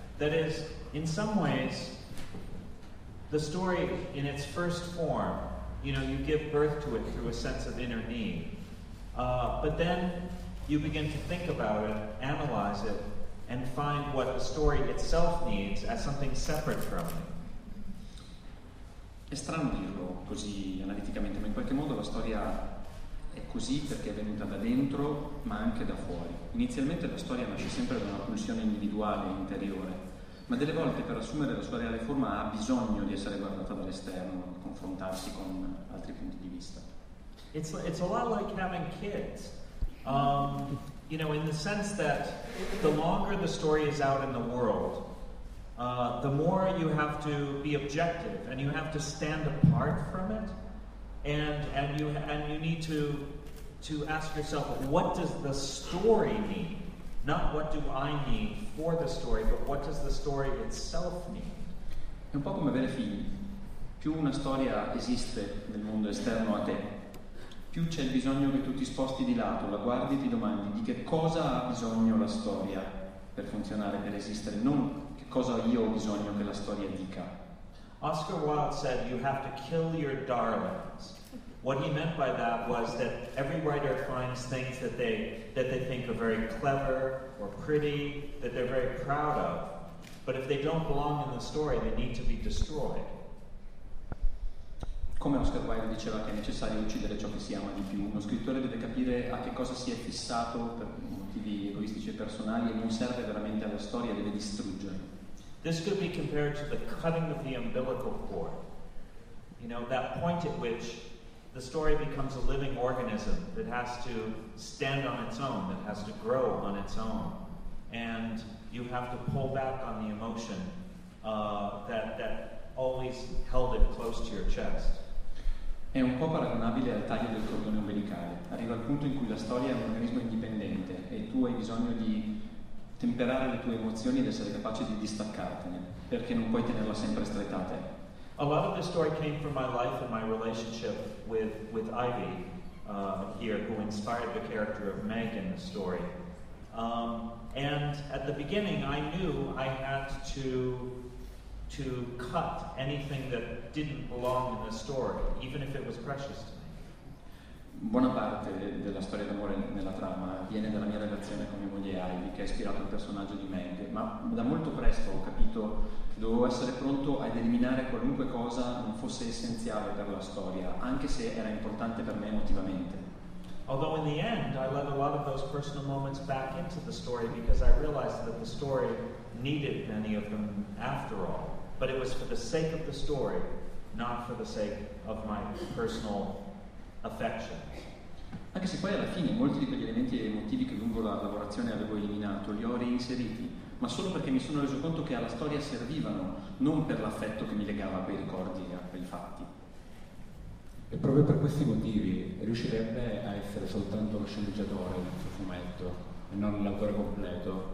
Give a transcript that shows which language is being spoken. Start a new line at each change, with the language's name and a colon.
English: That is, in some ways, the story in its first form, you know, you give birth to it through a sense of inner need, but then you begin to think about it, analyze it, and find what the story itself needs as something separate from it.
Italian: È strano dirlo così analiticamente, ma in qualche modo la storia è così perché è venuta da dentro, ma anche da fuori. Inizialmente la storia nasce sempre da una pulsione individuale, interiore, ma delle volte per assumere la sua reale forma ha bisogno di essere guardata dall'esterno, confrontarsi con altri punti di vista.
English: It's a lot like having kids. You know, in the sense that the longer the story is out in the world, the more you have to be objective and you have to stand apart from it, and you need to ask yourself, what does the story need? Not what do I need for the story, but what does the story itself need?
Italian: È un po' come avere figli. Più una storia esiste nel mondo esterno a te, più c'è il bisogno che tu ti sposti di lato, la guardi e ti domandi di che cosa ha bisogno la storia per funzionare, per esistere, non che cosa io ho bisogno che la storia dica.
English: Oscar Wilde said you have to kill your darlings. What he meant by that was that every writer finds things that they think are very clever or pretty, that they're very proud of. But if they don't belong in the story, they need to be destroyed.
Italian: Come Oscar Wilde diceva che è necessario uccidere ciò che si ama di più. Uno scrittore deve capire a che cosa si è fissato per motivi egoistici e personali e non serve veramente alla storia, deve distruggere.
English: This could be compared to the cutting of the umbilical cord. You know, that point at which the story becomes a living organism that has to stand on its own, that has to grow on its own. And you have to pull back on the emotion that always held it close to your chest.
Italian: È un po' paragonabile al taglio del cordone umbilicale. Arriva al punto in cui la storia è un organismo indipendente e tu hai bisogno di temperare le tue emozioni ed essere capace di distaccartene, perché non puoi tenerla sempre stretta a te.
English: A lot of the story came from my life and my relationship with Ivy here, who inspired the character of Meg in the story. And at the beginning, I knew I had to cut anything that didn't belong in the story, even if it was precious to me.
Italian: Buona parte della storia d'amore nella trama viene dalla mia relazione con mia moglie Ivy, che ha ispirato il personaggio di Meg, ma da molto presto ho capito che dovevo essere pronto ad eliminare qualunque cosa non fosse essenziale per la storia, anche se era importante per me emotivamente.
English: Although in the end I let a lot of those personal moments back into the story because I realized that the story needed many of them after all, but it was for the sake of the story, not for the sake of my personal affection.
Italian: Anche se poi alla fine molti di quegli elementi emotivi che lungo la lavorazione avevo eliminato li ho reinseriti, ma solo perché mi sono reso conto che alla storia servivano, non per l'affetto che mi legava a quei ricordi e a quei fatti. E proprio per questi motivi riuscirebbe a essere soltanto lo sceneggiatore del suo fumetto e non l'autore completo.